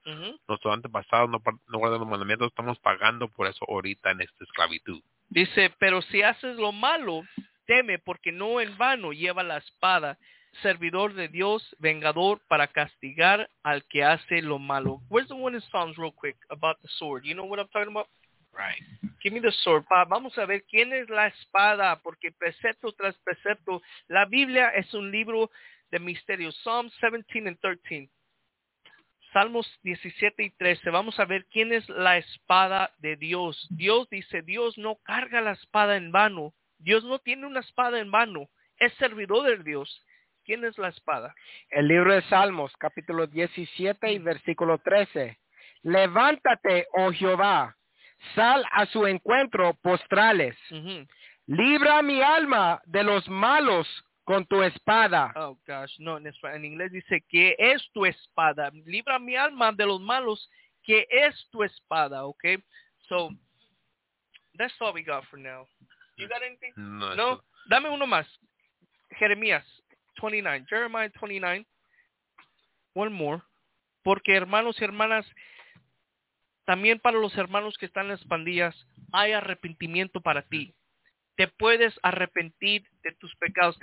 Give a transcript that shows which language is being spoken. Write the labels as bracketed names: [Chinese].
[Spanish] Uh-huh. Nuestros antepasados no guardan los mandamientos. Estamos pagando por eso ahorita en esta esclavitud. Dice, pero si haces lo malo, teme, porque no en vano lleva la espada. Servidor de Dios, vengador para castigar al que hace lo malo. [English] Where's the one in Psalms real quick about the sword? You know what I'm talking about? Right. Give me the sword, Pa. [Spanish] Vamos a ver quién es la espada, porque precepto tras precepto, la Biblia es un libro de misterios. [English] Psalms 17 and 13. [Spanish] Salmos 17 y 13. Vamos a ver quién es la espada de Dios. Dios dice, Dios no carga la espada en vano. Dios no tiene una espada en vano. Es servidor de Dios. ¿Quién es la espada? El libro de Salmos, capítulo 17 y versículo 13. Levántate, oh Jehová, sal a su encuentro, postrales. Uh-huh. Libra mi alma de los malos con tu espada. [English] Oh, gosh, [Spanish] no, en inglés dice, ¿qué es tu espada? Libra mi alma de los malos, ¿qué es tu espada? [English] Okay, so, that's all we got for now. You got anything? No. [Spanish] Dame uno más. Jeremías. 29, [English] Jeremiah 29, one more, [Spanish] porque hermanos y hermanas, también para los hermanos que están en las pandillas, hay arrepentimiento para ti, te puedes arrepentir de tus pecados.